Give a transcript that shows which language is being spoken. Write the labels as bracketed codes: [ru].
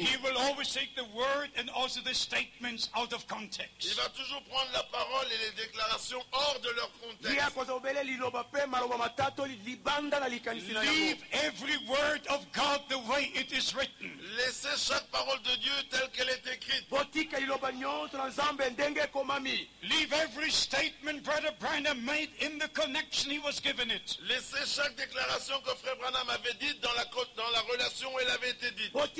[en] He will always take the word and also the statements out of context. [fr] Il va toujours prendre la parole et les déclarations hors de leur contexte. [ln] Il a kozobele liloba pe maloba matato libanda na likanisi na yango. [en] Leave every word of God the way it is written. [fr] Laissez chaque parole de Dieu telle qu'elle est écrite. [ln] Botika liloba nyoto na nzambe ndenge komami. [en] Leave every statement Brother Branham made in the connection. He was given it. [fr] Laissez chaque déclaration que Frère Branham avait dite dans la relation où elle avait été dite.